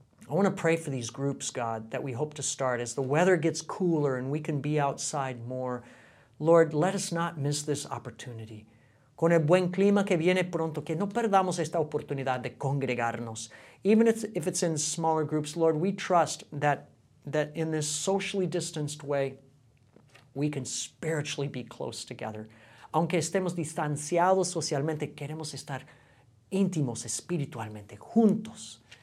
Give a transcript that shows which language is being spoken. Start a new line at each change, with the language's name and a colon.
English: I want to pray for these groups, God, that we hope to start. As the weather gets cooler and we can be outside more, Lord, let us not miss this opportunity.
Spanish: Con el buen clima que viene pronto, que no perdamos esta oportunidad de congregarnos.
English: Even if it's in smaller groups, Lord, we trust that in this socially distanced way, we can spiritually be close together.
Spanish: Aunque estemos distanciados socialmente, queremos estar íntimos espiritualmente, juntos.